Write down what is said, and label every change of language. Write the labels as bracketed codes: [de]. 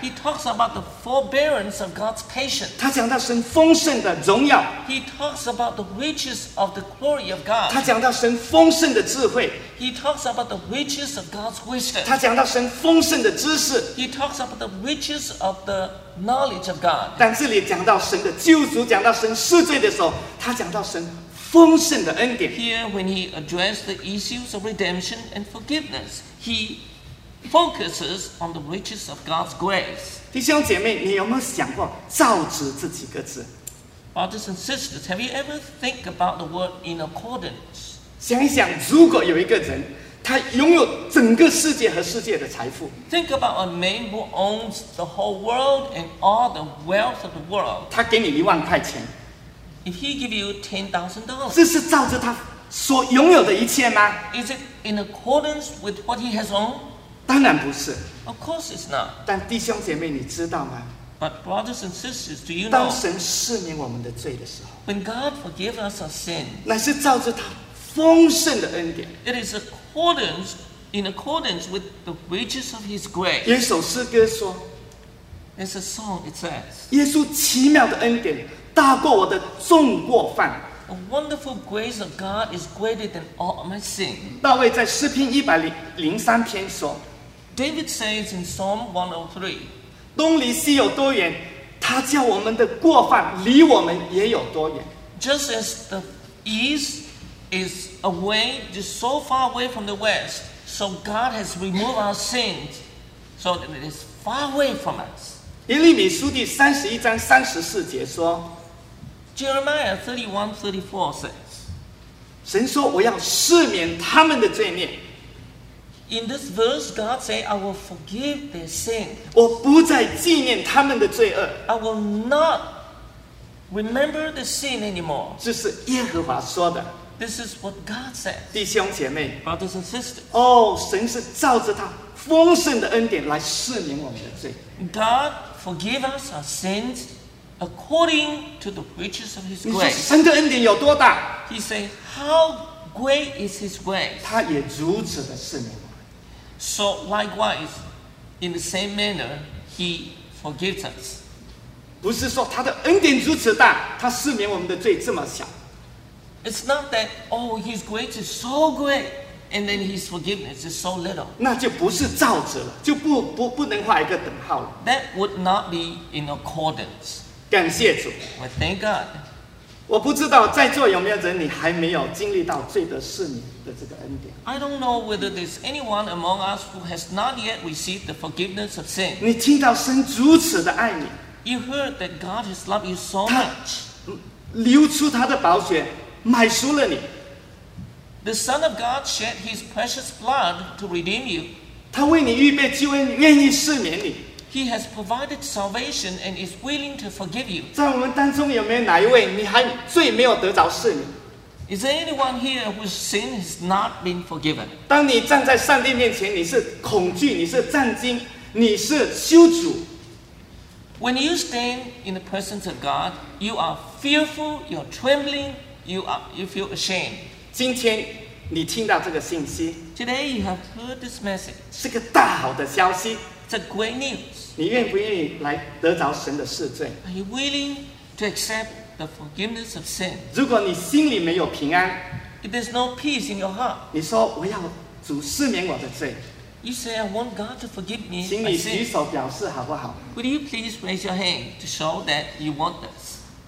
[en] He talks about the forbearance of God's patience. [zh] 他讲到神丰盛的荣耀。 [en] He talks about the riches of the glory of God. [zh] 他讲到神丰盛的智慧。 [en] He talks about the riches of God's wisdom. [zh] 他讲到神丰盛的知识。 [en] He talks about the riches of the knowledge of God. [zh] 但这里讲到神的救赎，讲到神赦罪的时候，他讲到神丰盛的恩典。 [en] Here, when he addressed the issues of redemption and forgiveness, he focuses on the riches of God's grace. [zh] 弟兄姐妹，你有没有想过造职这几个字？ [en] Brothers and sisters, have you ever think about the word in accordance? [zh] 想一想，如果有一个人，他拥有整个世界和世界的财富。 [en] Think about a man who owns the whole world and all the wealth of the world. [zh] 他给你10,000块钱。 [en] If he give you $10,000, [zh] 这是照着他所拥有的一切吗？ [en] Is it in accordance with what he has owned? [zh] 当然不是。 [en] Of course it's not. [zh] 但弟兄姐妹，你知道吗？ [en] But brothers and sisters, do you know? [zh] 当神赦免我们的罪的时候， [en] When God forgives us our sin, [zh] 乃是照着他丰盛的恩典。 [en] It is in accordance with the riches of his grace. [zh] 有一首诗歌说， [en] It's a song, it says, [zh] 耶稣奇妙的恩典大过我的众过犯。 [en] A wonderful grace of God is greater than all my sin. [zh] 大卫在诗篇103篇说， [en] David says in Psalm 103, [zh] 东离西有多远，他叫我们的过犯离我们也有多远。 [en] Just as the east is away, just so far away from the west, so God has removed our sins, so that it is far away from us. [zh] 耶利米书第31章34节说， [en] Jeremiah 31:34 says, [zh] 神说我要赦免他们的罪孽。 [en] In this verse, God says, I will forgive their sin. [zh] 我不再纪念他们的罪恶。 [en] I will not remember the sin anymore. [zh] 这是耶和华说的。 [en] This is what God says. [zh] 弟兄姐妹， [en] Brothers and sisters, [zh] 哦，神是照着他丰盛的恩典来赦免我们的罪。 [en] God forgive us our sins according to the riches of his grace. [zh] 你说神的恩典有多大？ [en] He says, how great is his grace? [zh] 他也如此的赦免我们。 [en] So likewise, in the same manner, he forgives us. [zh] 不是说他的恩典如此大，他赦免我们的罪这么小。 [en] It's not that, oh, his grace is so great, and then his forgiveness is so little. [zh] 那就不是照着了，就不能画一个等号了。 [en] That would not be in accordance. [zh] 感谢主。 [en] Well, thank God. [zh] 我不知道在座有没有人，你还没有经历到罪得赦免的这个恩典。 [en] I don't know whether there's anyone among us who has not yet received the forgiveness of sin. [zh] 你听到神如此的爱你。 [en] You heard that God has loved you so much. [zh] 他流出他的宝血。买赎了你。 [en] The Son of God shed His precious blood to redeem you. [zh] 他为你预备救恩，愿意赦免你。 [en] He has provided salvation and is willing to forgive you. [zh] 在我们当中有没有哪一位你还罪没有得着赦免？ [en] Is there anyone here whose sin has not been forgiven? [zh] 当你站在上帝面前，你是恐惧，你是战惊，你是羞辱。 [en] When you stand in the presence of God, you are fearful, you're trembling. You feel ashamed. [zh] 今天你听到这个信息， [en] Today you have heard this message. [zh] 是个大好的消息， [en] It's a great news. [zh] 你愿不愿意来得着神的赦罪？ [en] Are you willing to accept the forgiveness of sin? [zh] 如果你心里没有平安， [en] If there's no peace in your heart, [zh] 你说我要主赦免我的罪， [en] You say I want God to forgive me. [zh] 请你举手表示好不好？ [en] Would you please raise your hand to show that you want this?